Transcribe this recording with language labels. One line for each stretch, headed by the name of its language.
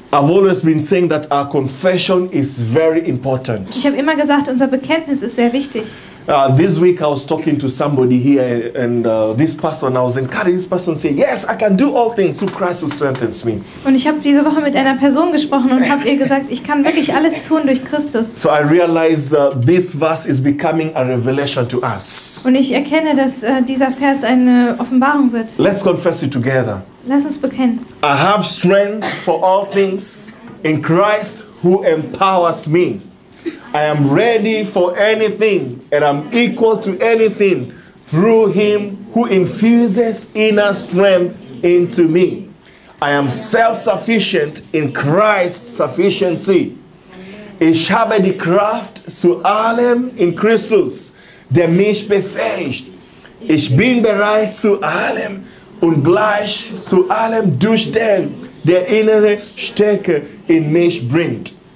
English: I've always been saying that our confession is very important.
German: Ich habe immer gesagt, unser Bekenntnis ist sehr wichtig.
English: This week I was talking to somebody here and this person, I was encouraging this person to say, yes, I can do all things through Christ who strengthens me.
German: Und ich habe diese Woche mit einer Person gesprochen und habe ihr gesagt, ich kann wirklich alles tun durch Christus.
English: So I realized this verse is becoming a revelation to us.
German: Und ich erkenne, dass dieser Vers eine Offenbarung wird.
English: Let's confess it together.
German: Lass uns bekennen.
English: I have strength for all things in Christ who empowers me. I am ready for anything and I'm equal to anything through him who infuses inner strength into me. I am self-sufficient in Christ's sufficiency.
German: Ich habe die Kraft zu allem in Christus, der mich befähigt. Ich bin bereit zu allem und gleich zu allem durch den, der innere Stärke in mich bringt.